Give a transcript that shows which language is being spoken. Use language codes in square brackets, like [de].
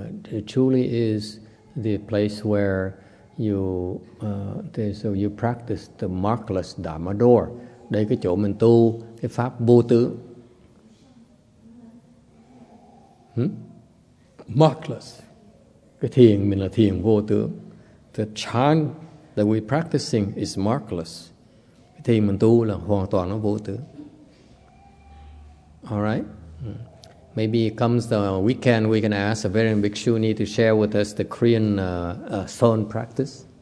[en] It truly is the place where you practice the markless Dharma door. [vi] Đây cái chỗ mình tu cái pháp vô tướng. [en] Markless. [vi] Cái thiền mình là thiền vô tướng. [en] The chan that we're practicing is markless. [vi] Cái thiền mình tu là hoàn toàn nó vô tướng. [en] All right. Maybe it comes the weekend, we can ask a very big shuni to share with us the Korean son practice.